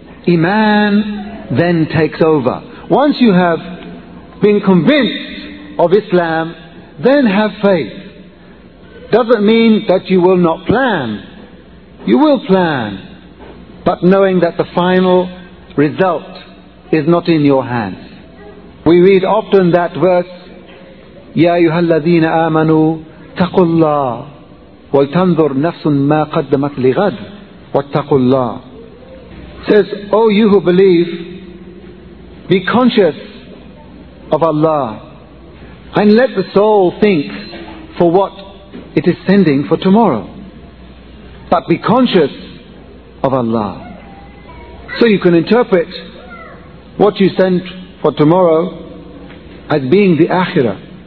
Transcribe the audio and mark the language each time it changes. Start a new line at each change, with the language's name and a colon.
English: Iman then takes over. Once you have been convinced of Islam, then have faith. Doesn't mean that you will not plan. You will plan, but knowing that the final result is not in your hands. We read often that verse,
Arabic: يَا أَيُّهَا الَّذِينَ آمَنُوا تَقُوا اللَّهِ وَلْتَنْظُرْ نَفْسٌ مَا قَدَّمَتْ لِغَدْ وَاتَّقُوا اللَّهِ.
English: Says, O you who believe, be conscious of Allah and let the soul think for what it is sending for tomorrow. But be conscious of Allah. So you can interpret what you sent for tomorrow as being the Akhirah.